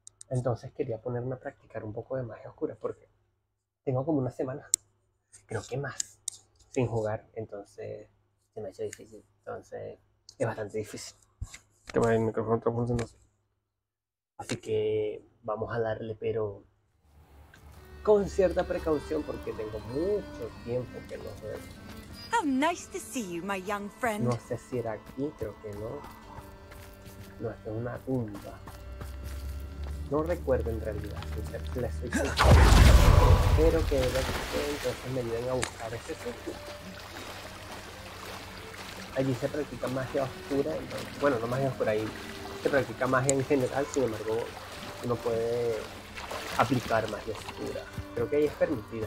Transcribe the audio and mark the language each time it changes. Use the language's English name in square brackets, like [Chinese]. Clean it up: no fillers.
[Spanish] Entonces quería ponerme a practicar un poco de magia oscura, porque tengo como una semana, creo que más, sin jugar. Entonces se me ha hecho difícil, entonces es bastante difícil. ¿Qué más? El micrófono está funcionando. Así que vamos a darle, pero con cierta precaución, porque tengo mucho tiempo que no veo. [English] How nice to see you, my young friend. [Spanish] No sé si era aquí, creo que no. No, esto es una tumba. No recuerdo en realidad. Espero que de repente entonces me ayuden a buscar ese sitio. Allí se practica magia oscura. Entonces, bueno, no magia oscura, ahí se practica magia en general, sin embargo, uno puede aplicar magia oscura. Creo que ahí es permitida.